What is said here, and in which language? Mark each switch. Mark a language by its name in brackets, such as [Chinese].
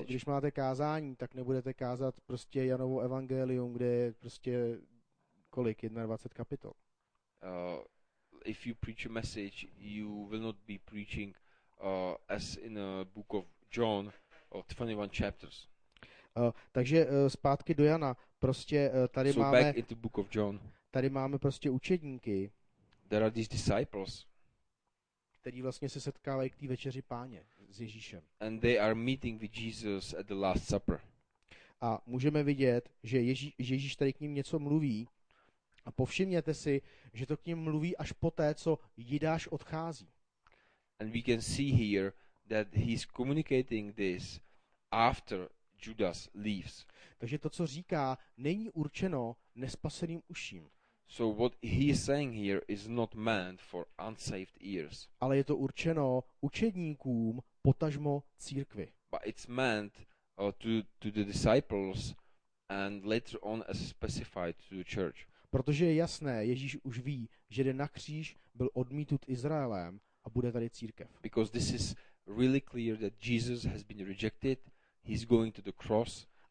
[Czech] Jo, když máte kázání, tak nebudete kázat prostě Janovo evangelium, kde je prostě kolik 21 kapitol. [English] If you preach a message, you will not be preaching as in a book of John or 21 chapters. [Czech] Takže zpátky do Jana, prostě tady [English] so [Czech] máme. [English] So back into book of John. [Czech] Tady máme prostě učedníky. [English] There are these disciples. [Czech] Který vlastně se setkávají k té večeři páně s Ježíšem. [English] And they are meeting with Jesus at the last supper. [Czech] A můžeme vidět, že Ježíš tady k ním něco mluví. A povšimněte si, že to k ním mluví až poté, co Jidáš odchází. [English] And we can see here that he's communicating this after Judas leaves. [Czech] Takže to, co říká, není určeno nespaseným uším. [English] So what he is saying here is not meant for unsaved ears. [Czech] Ale je to určeno učedníkům, potažmo církvi. [English] But it's meant to the disciples and later on as specified to the church. [Czech] Protože je jasné, Ježíš už ví, že jde na kříž, byl odmítnut Izraelem a bude tady církev. [English] Because this is really clear that Jesus has been rejected, he's going to the cross.